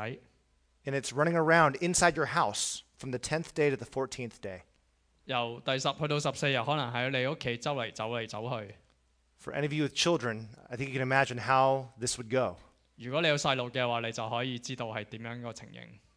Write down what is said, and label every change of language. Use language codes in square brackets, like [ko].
[en] And it's running around inside your house from the 10th day to the 14th day. [yue] 由第十去到十四日，可能喺你屋企周圍走嚟走去。 [en] For any of you with children, I think you can imagine how this would go. [yue] 如果你有細路嘅話，你就可以知道係點樣一個情形。